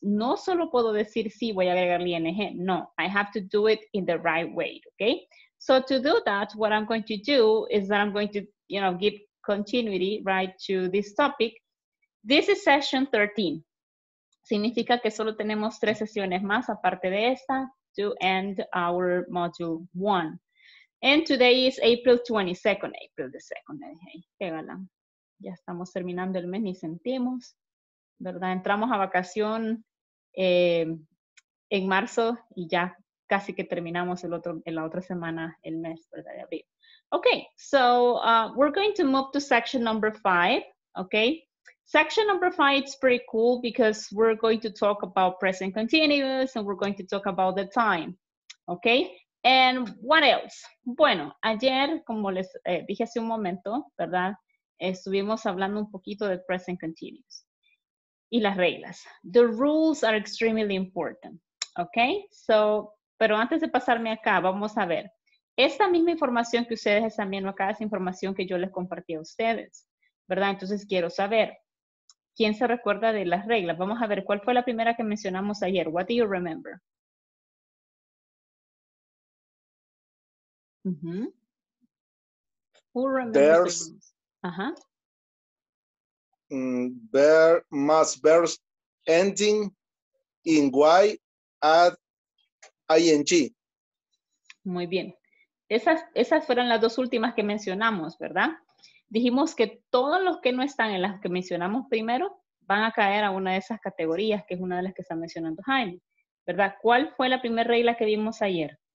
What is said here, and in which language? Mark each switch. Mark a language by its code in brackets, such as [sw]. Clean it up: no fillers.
[es] No solo puedo decir sí, voy a agregarle ing. [en] No, I have to do it in the right way, okay? So to do that, what I'm going to do is that I'm going to, you know, give continuity, right, to this topic. This is session 13. [es] Significa que solo tenemos tres sesiones más aparte de esta [en] to end our module 1. And today is April 22nd, April the 2nd. [es] Hey, qué gala. Ya estamos terminando el mes, ni sentimos. ¿Verdad? Entramos a vacación en marzo y ya casi que terminamos el otro, en la otra semana, el mes, ¿verdad? De abril. [en] Okay, so we're going to move to section number 5, okay? Section number 5 is pretty cool because we're going to talk about present continuous and we're going to talk about the time, okay? And what else? [es] Bueno, ayer, como les dije hace un momento, ¿verdad? Estuvimos hablando un poquito de present continuous. Y las reglas. [en] The rules are extremely important. Okay? So, [es] pero antes de pasarme acá, vamos a ver. Esta misma información que ustedes están viendo acá es información que yo les compartí a ustedes. ¿Verdad? Entonces quiero saber. ¿Quién se recuerda de las reglas? Vamos a ver, ¿cuál fue la primera que mencionamos ayer? [en] What do you remember? Uh-huh. Who remembers? There's... The there must bear ending in Y at ing. [es] Muy bien. Esas fueron las dos últimas que mencionamos, ¿verdad? Dijimos que todos los que no están en las que mencionamos primero van a caer a una de esas categorías, que es una de las que está mencionando Jaime, ¿verdad? ¿Cuál fue la primera regla que vimos ayer?